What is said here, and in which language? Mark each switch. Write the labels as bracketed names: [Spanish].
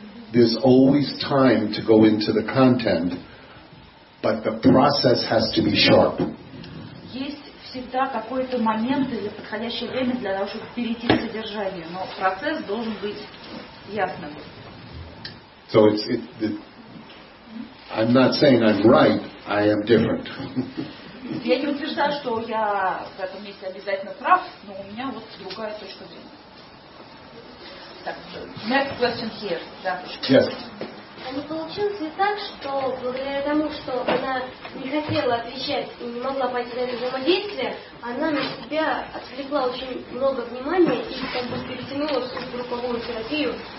[English] There's always time to go into the content, but the process has to be sharp. [Russian] Всегда какой-то момент или подходящее время для того, чтобы перейти к содержанию, но процесс должен быть ясным. [English] So I'm not saying I'm right, I am different. [Russian] Я не утверждаю, что я в этом месте обязательно прав, но у меня вот другая точка зрения. Так, [English] next question here. Yes. [Russian] А не получилось ли так, что благодаря тому, что она не хотела отвечать и не могла пойти на это взаимодействие, она на себя отвлекла очень много внимания и как бы перетянула всю групповую терапию?